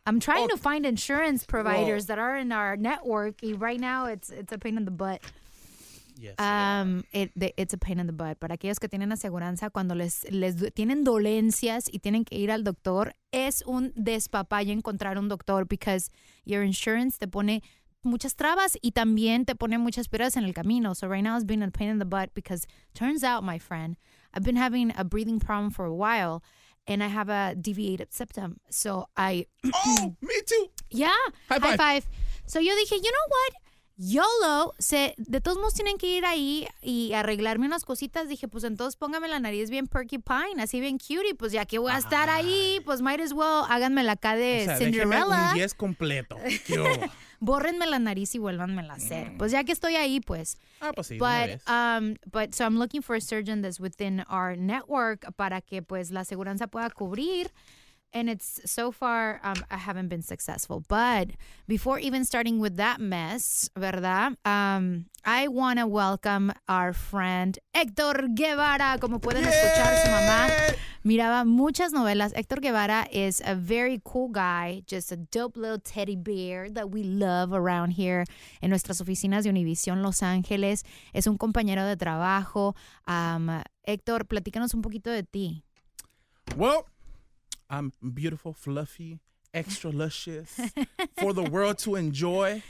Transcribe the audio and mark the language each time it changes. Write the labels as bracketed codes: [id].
[en] I'm trying to find insurance providers that are in our network. Right now, it's a pain in the butt. Yes. It's a pain in the butt. [es] Para aquellos que tienen aseguranza, cuando les tienen dolencias y tienen que ir al doctor, es un despapalle encontrar un doctor [en] because your insurance [es] te pone muchas trabas y también te pone muchas piedras en el camino. [en] So right now, it's been a pain in the butt because turns out, my friend, I've been having a breathing problem for a while. And I have a deviated septum, so I... Oh, me too! Yeah! High five! So [es] yo dije, [en] you know what? [es] YOLO, de todos modos tienen que ir ahí y arreglarme unas cositas. Dije, pues entonces póngame la nariz bien [en] perky pine, [es] así bien cutie. Pues ya que voy a estar ahí, pues [en] might as well [es] háganme la K de Cinderella. Déjeme un 10 completo. Bórrenme la nariz y vuélvanmela a hacer. Pues ya que estoy ahí, pues. [en] So I'm looking for a surgeon that's within our network [es] para que pues la aseguranza pueda cubrir. [en] And it's so far, I haven't been successful. But before even starting with that mess, [es] ¿verdad? [en] I want to welcome our friend Héctor Guevara. [es] Como pueden escuchar, su mamá miraba muchas novelas. [en] Héctor Guevara is a very cool guy, just a dope little teddy bear that we love around here in [es] nuestras oficinas de [en] Univision Los Ángeles. [es] Es un compañero de trabajo. Héctor, platícanos un poquito de ti. [en] Well, I'm beautiful, fluffy, extra luscious, for the world to enjoy.